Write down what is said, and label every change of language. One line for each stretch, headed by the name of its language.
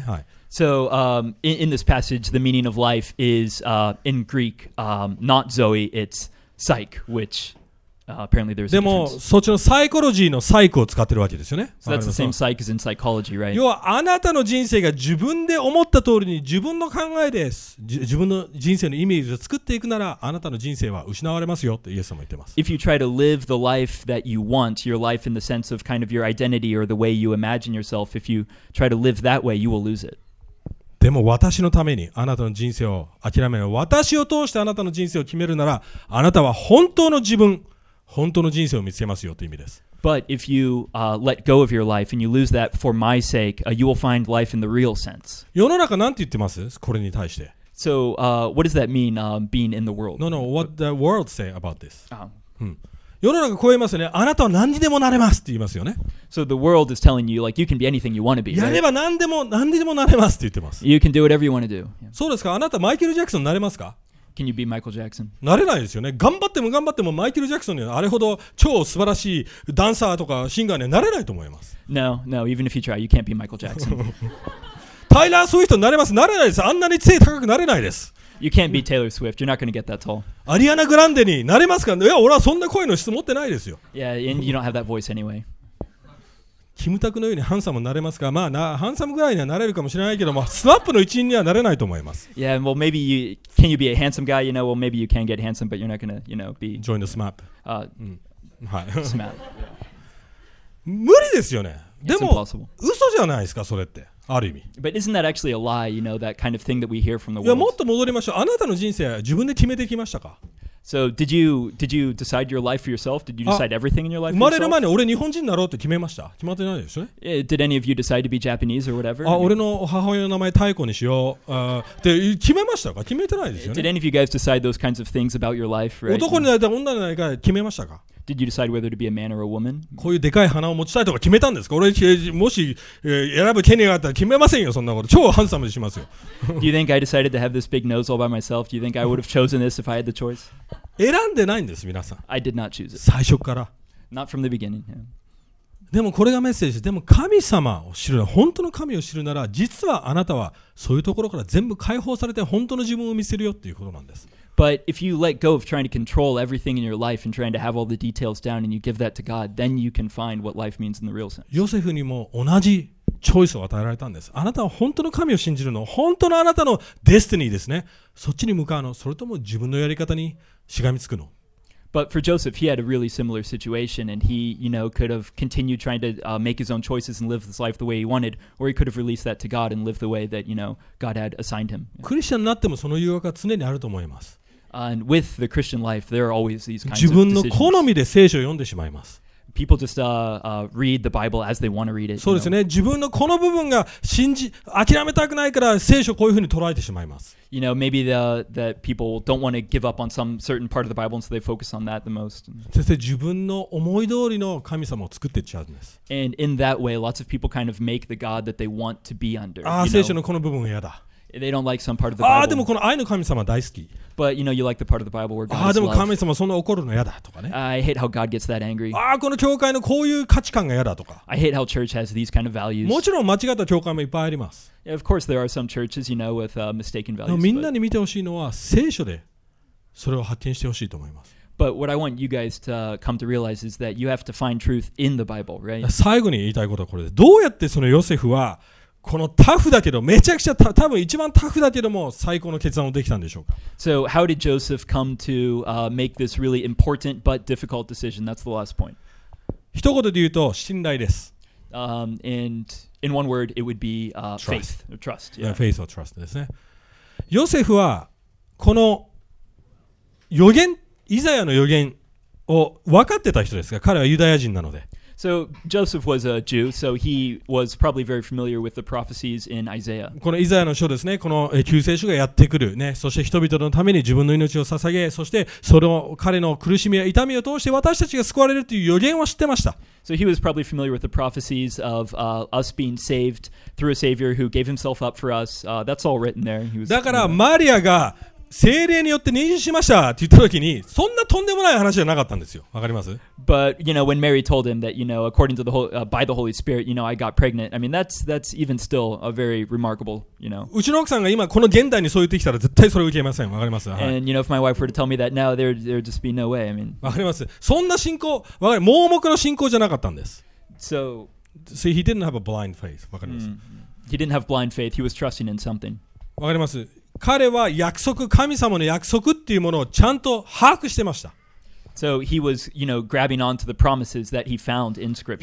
Japanese: はい。
English: So, in this passage, the meaning of life is, in Greek, not Zoe, it's Psyche, which, apparently there's a difference.
Japanese: でも、そっちのサイコロジーのサイクを使ってるわけですよね。
English: So that's the same psych as in psychology, right?
Japanese: 要は、あなたの人生が自分で思った通りに自分の考えです。自分の人生のイメージを作っていくなら、あなたの人生は失われますよ、とイエス様言ってます。
English: If you try to live the life that you want, your life in the sense of kind of your identity or the way you imagine yourself, if you try to live that way, you will lose it.
Japanese: でも私のためにあなたの人生を諦めない、私を通してあなたの人生を決めるなら、あなたは本当の自分、本当の人生を見つけますよという意味です。
English: But if you let go of your life and you lose that for my sake, you will find life in the real sense.
Japanese: 世の中なんて言ってます、これに対して。
English: So what does that mean, being in the world? No, what the world say about this?、 Uh-huh.
Japanese: 世の中こう言いますよね、あなたは何にでもなれますって言いますよね。
English: So the world is telling you, like, you can be anything you want to be, right?
Japanese: やれば何にでもなれますって言ってます。
English: You can do whatever you want to do.
Japanese: そうですか、あなたマイケル・ジャクソンなれますか？
English: Can you be Michael Jackson?
Japanese: なれないですよね。頑張っても頑張ってもマイケル・ジャクソンにはあれほど超素晴らしいダンサーとかシンガーにはなれないと思います。
English: No, no, even if you try, you can't be Michael Jackson.
Japanese: タイラー・スウィフトなれます？なれないです。あんなに背高くなれないです。
English: You can't be Taylor Swift. You're not going to get that tall.
Japanese: アリアナ・グランデになれますか？いや、俺はそんな声の質持ってないですよ。
English: Yeah, and you don't have that voice anyway.
Japanese: キムタクのようにハンサムになれますか？まあな、ハンサムぐらいにはなれるかもしれないけども、スナップの一員にはなれないと思います。
English: Yeah, well, maybe you can you be a handsome guy? You know, well, maybe you can get handsome, but you're not going to, you know, be join the SMAP. SMAP.
Japanese: 無理ですよね。でも、
English: It's impossible.
Japanese: 嘘じゃないですか、それって。ある意味。
English: But isn't that actually a lie, you know, that kind of thing that we hear from the world?
Japanese: いや、もっと戻りましょう。あなたの人生は自分で決めてきましたか？
English: So, did you decide your life for yourself? Did you decide everything in your life for yourself?
Japanese: 生まれる前に俺日本人になろうって決めました。決まってないですね。
English: Did any of you decide to be Japanese or whatever?
Japanese: あ、俺の母親の名前太鼓にしよう。って決めましたか？決めてないですよね。
English: Did any of you guys decide those kinds of things about your life, right?
Japanese: 男になりたい、女になりたい、決めましたか？
English: Did you decide whether to be a man or a woman?
Japanese: こういうでかい鼻を持ちたいとか決めたんですか？俺もし選ぶ権利があったら決めませんよ、そんなこと。超ハンサムにしますよ。
English: Do you think I decided to have this big nose all by myself? Do you think I would have chosen this if I had the choice?
Japanese: 選んでないんです、皆さん。
English: I did not choose it.
Japanese: 最初から。
English: Not from the beginning. Yeah.
Japanese: でもこれがメッセージ。でも神様を知る、本当の神を知るなら、実はあなたはそういうところから全部解放されて本当の自分を見せるよっていうことなんです。
English: But if you let go of trying to control everything in your life and trying to have all the details down and you give that to God, then you can find what life means in the real sense.
Japanese: ヨセフにも同じチョイスを与えられたんです。あなたは本当の神を信じるの、本当のあなたのデスティニーですね。そっちに向かうの、それとも自分のやり方にしがみつくの。
English: But for Joseph, he had a really similar situation and he, you know, could have continued trying to make his own choices and live his life the way he wanted, or he could have released that to God and lived the way that, you know, God had assigned him.
Japanese: クリスチャンになってもその誘惑は常にあると思います。
English: And with the Christian life, there are always these kinds of decisions.
Japanese: 自分の好みで聖書を読んでしまいます。
English: People just read the Bible as they want to read it.
Japanese: そうですね。自分のこの部分が信じ、諦めたくないから聖書をこういうふうに捉えてしまいます。
English: You know, maybe that people don't want to give up on some certain part of the Bible, and so they focus on that the most.
Japanese: そして自分の思い通りの神様を作っていっちゃうんです。
English: And in that way, lots of people kind of make the God that they want to be under.
Japanese: ああ、聖書のこの部分は嫌だ。
English: They don't like some part of the Bible.
Japanese: ああ、でもこの愛の神様大好き。
English: But you know, you like the part of the Bible where God is love.
Japanese: ああ、でも神様そんな怒るの嫌だとかね。
English: I hate how God gets that angry.
Japanese: ああ、この教会のこういう価値観が嫌だとか。
English: I hate how church has these kind of values.
Japanese: もちろん間違った教会もいっぱいあります。
English: Of course, there are some churches, you know, with mistaken values.
Japanese: みんなに見てほしいのは聖書でそれを発見してほしいと思います。
English: But what I want you guys to come to realize is that you have to find truth in the Bible, right?
Japanese: 最後に言いたいことはこれです。どうやってそのヨセフはこのタフだけど、めちゃくちゃ多分一番タフだけども最高の決断をできたんでしょうか？
English: So how did Joseph come to make this really important but difficult decision? That's the last point.
Japanese: 一言で言うと信頼です。
English: And in one word, it would be trust. Yeah. Yeah, faith or trust
Japanese: ですね。ヨセフはこの予言、イザヤの予言を分かってた人ですが、彼はユダヤ人なので。
English: So Joseph was a Jew, so he was probably very familiar with the prophecies in Isaiah.
Japanese: このイザヤの書ですね、この救世主がやってくるね、そして人々のために自分の命を捧げ、そしてその彼の苦しみや痛みを通して私たちが救われるという予言は知ってました。
English: So he was probably familiar with the prophecies of us being saved through a savior who gave himself up for us. That's all written there. He was.
Japanese: だからマリアが聖霊によって妊娠しましたって言った時にそんなとんでもない話じゃなかったんですよ。わかります？
English: But you know when Mary told him that you know according to the whole, by the Holy Spirit you know I got pregnant. I mean that's even still a very remarkable you know.
Japanese: うちの奥さんが今この現代にそう言ってきたら絶対それ受けません。わかります？はい。
English: And you know if my wife were to tell me that now there just be no way. I mean.
Japanese: わかります。そんな信仰、わかります。盲目の信仰じゃなかったんです。
English: So. See he didn't have a blind faith.
Japanese: わかります。
English: He didn't have blind faith. He was trusting in something.
Japanese: わかります。彼は約束、神様の約束っていうものをちゃんと把握してました。
English: So he was, you know, grabbing onto the promises that he found in scripture.